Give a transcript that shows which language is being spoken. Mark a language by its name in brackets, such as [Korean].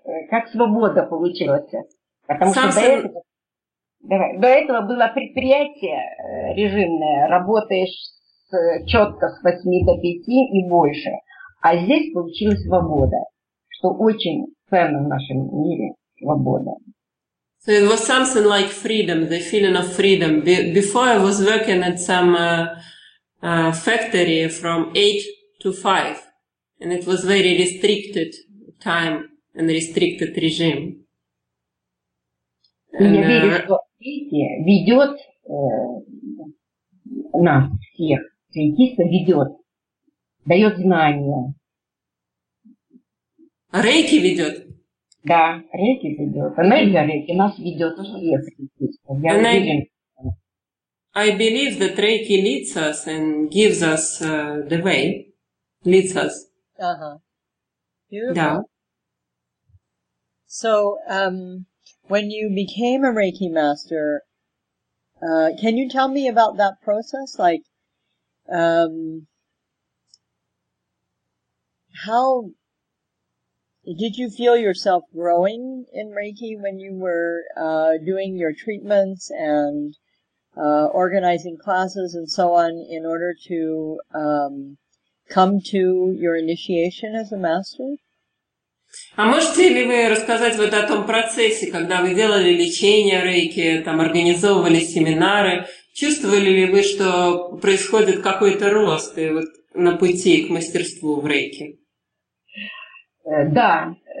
[Russian] Как свобода получилась, потому что давай. До этого было предприятие режимное, работаешь четко с 8 до 5 и больше. А здесь получилась свобода, что очень ценно в нашем мире, свобода. [English] So it was something like freedom, the feeling of freedom. Before I was working at some factory from 8 to 5, and it was very restricted time and restricted regime. [Russian] Ведет нас всех, Рейкиста ведет, дает знания. Рейки ведет? Да, Рейки ведет. Энергия Рейки нас ведет всех, Рейкиста. Я уверен. [English] I believe that Рейки leads us and gives us the way. Leads us. [Russian] Uh-huh. Да. [English] So, when you became a Reiki master, can you tell me about that process? Like, how did you feel yourself growing in Reiki when you were doing your treatments and organizing classes and so on in order to come to your initiation as a master? [Russian] А можете ли вы рассказать вот о том процессе, когда вы делали лечение Рейки, там организовывали семинары, чувствовали ли вы, что происходит какой-то рост и вот на пути к мастерству в Рейке? Да.